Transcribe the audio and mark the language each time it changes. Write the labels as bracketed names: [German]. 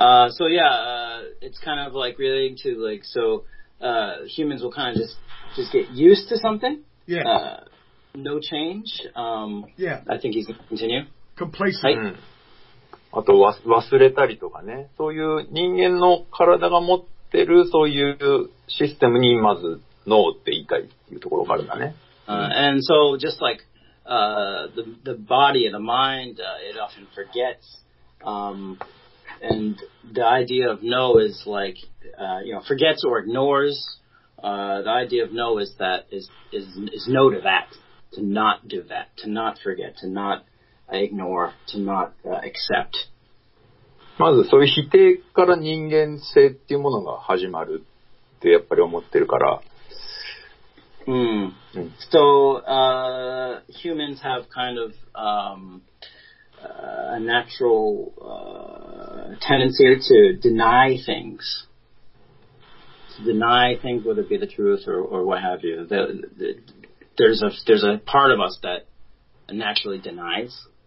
[English] So yeah, it's kind of like relating to like, so, humans will kind of just get used to something. Yeah. No change. Yeah. I think he's going to continue. Complacent. [Japanese] うん。あと、忘れたりとかね。そういう人間の体が持ってるそういうシステムにまず、ノーって言いたいっていうところがあるんだね。 [English] And so just like, the body and the mind, it often forgets, and the idea of no is like, forgets or ignores, the idea of no is that, is no to that, to not do that, to not forget, to not ignore, to not accept. [Japanese] まずそういう否定から人間性っていうものが始まるってやっぱり思ってるから。 [English] So, humans have kind of, a natural, tendency to deny things. To deny things, whether it be the truth or what have you. There's a part of us that naturally denies.